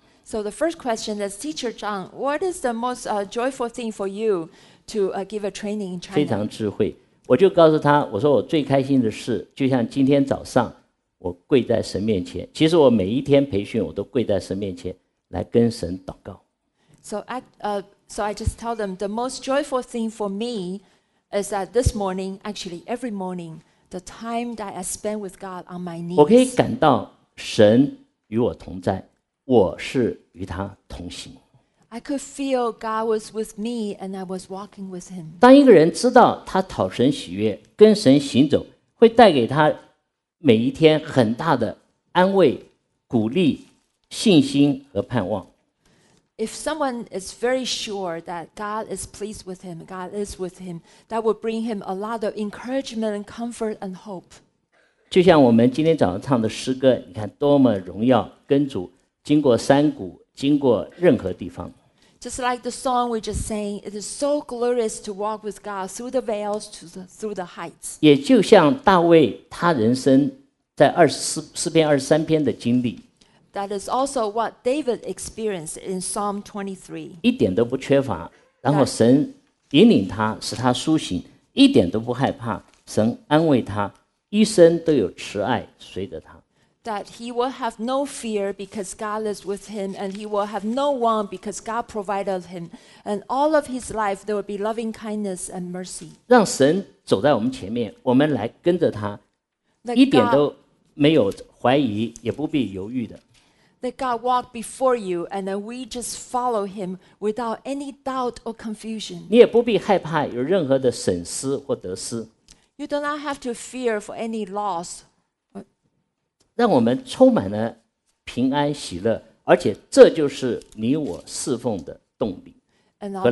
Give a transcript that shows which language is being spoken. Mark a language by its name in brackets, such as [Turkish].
[English] ？”So the first question is, "Teacher Zhang, what is the most joyful thing for you to give a training in China?" [Chinese] 非常智慧。我就告诉他，我说我最开心的事就像今天早上我跪在神面前，其实我每一天培训我都跪在神面前来跟神祷告。 [English] So I just tell them the most joyful thing for me is that this morning, actually every morning, the time that I spend with God on my knees, [Chinese] 我可以感到神与我同在，我是与他同行。 [English] I could feel God was with me and I was walking with him. [Chinese] 当一个人知道他讨神喜悦，跟神行走，会带给他每一天很大的安慰、鼓励、信心和盼望。 [English] If someone is very sure that God is pleased with him, God is with him, that would bring him a lot of encouragement and comfort and hope. [Chinese] 就像我们今天早上唱的诗歌，你看多么荣耀，跟主经过山谷，经过任何地方。 [English] Just like the song we just sang, it is so glorious to walk with God through the vales, through the heights. [Chinese] 也就像大卫他人生在诗篇二十三篇的经历。 [English] That is also what David experienced in Psalm 23. [Chinese] 一点都不缺乏，然后神引领他，使他苏醒，一点都不害怕，神安慰他，一生都有慈爱随着他。 [English] That he will have no fear because God is with him, and he will have no want because God provided him. And all of his life there will be loving kindness and mercy. [Chinese] 让神走在我们前面，我们来跟着他，一点都没有怀疑，也不必犹豫的。 [English] That God walk before you, and then we just follow him without any doubt or confusion. [Chinese] 你也不必害怕有任何的损失或得失。 [English] You do not have to fear for any loss. [Chinese] 让我们充满了平安喜乐，而且这就是你我侍奉的动力和能力。